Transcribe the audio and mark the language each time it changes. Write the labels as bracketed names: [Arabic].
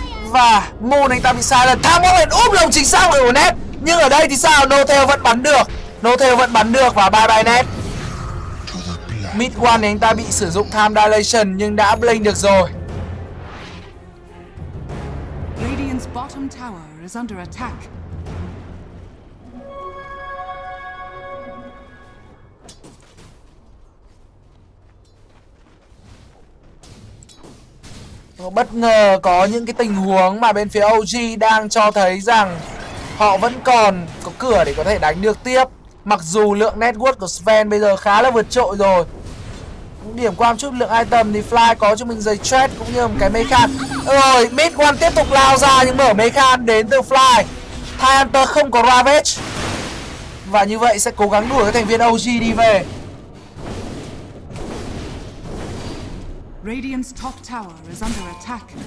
[Vietnamese] Và Moon anh ta bị silent. Tham có thể úp lồng chính xác của Net, nhưng ở đây thì sao, Notheo vẫn bắn được. Notheo vẫn bắn được và bye bye Net. Mid One thì anh ta bị sử dụng Time Dilation nhưng đã blink được rồi. [English] Radiant's bottom tower is under attack. [Vietnamese] Bất ngờ có những cái tình huống mà bên phía OG đang cho thấy rằng họ vẫn còn có cửa để có thể đánh được tiếp. Mặc dù lượng network của Sven bây giờ khá là vượt trội rồi. Điểm qua một chút lượng item thì Fly có cho mình giày Thread cũng như một cái Mekan. Rồi, Mid One tiếp tục lao ra nhưng mở Mekan đến từ Fly. Time Hunter không có Ravage. Và như vậy sẽ cố gắng đuổi các thành viên OG đi về. [English] Radiant's top tower is under attack.